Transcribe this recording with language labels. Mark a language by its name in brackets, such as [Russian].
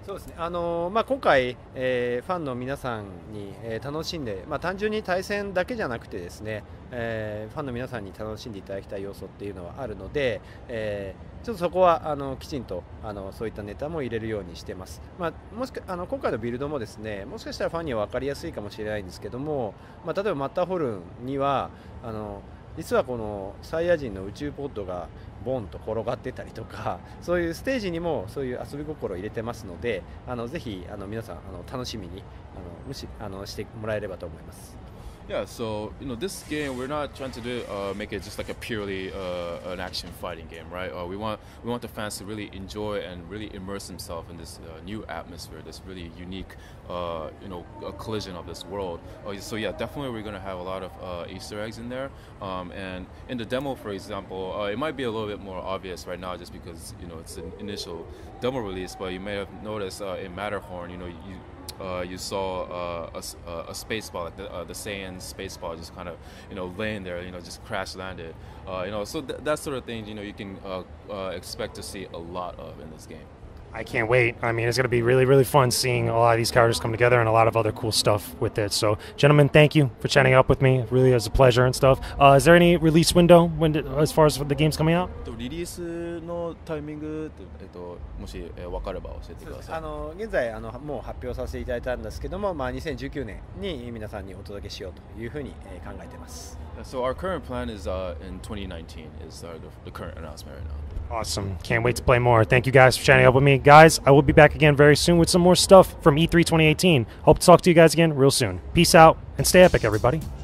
[Japanese] そうですね、まあ、今回、ファンの皆さんに、楽しんで、まあ、単純に対戦だけじゃなくてですね、ファンの皆さんに楽しんでいただきたい要素っていうのはあるので、ちょっとそこはきちんとそういったネタも入れるようにしてます、まあ、もしか今回のビルドもですね、もしかしたらファンには分かりやすいかもしれないんですけども、まあ、例えばマッターホルンには実はこのサイヤ人の宇宙ポッドがボンと転がってたりとか、そういうステージにもそういう遊び心を入れてますので、ぜひ皆さん楽しみに無視してもらえればと思います。 [English] Yeah, so you know, this game we're not trying to do make it just like a purely an action fighting game, right? We want the fans to really enjoy and really immerse themselves in this new atmosphere, this really unique a collision of this world. So yeah, definitely we're gonna have a lot of Easter eggs in there. And in the demo, for example, it might be a little bit more obvious right now just because it's an initial demo release. But you may have noticed in Matterhorn, you saw a space ball, like the Saiyan space ball, just kind of laying there, just crash landed, so that sort of thing, you can expect to see a lot of in this game. I can't wait. I mean, it's going to be really, really fun seeing a lot of these characters come together and a lot of other cool stuff with it. So, gentlemen, thank you for chatting up with me. Really, it was a pleasure and stuff. Is there any release window when, as far as the game's coming out? [Japanese] リリースのタイミングって、もし、分かれば教えてください。現在もう発表させていただいたんですけども、まあ、2019年に皆さんにお届けしようというふうに、考えてます。 [English] So our current plan is in 2019 is the current announcement right now. Awesome. Can't wait to play more. Thank you guys for chatting up with me. Guys, I will be back again very soon with some more stuff from E3 2018. Hope to talk to you guys again real soon. Peace out and stay epic, everybody.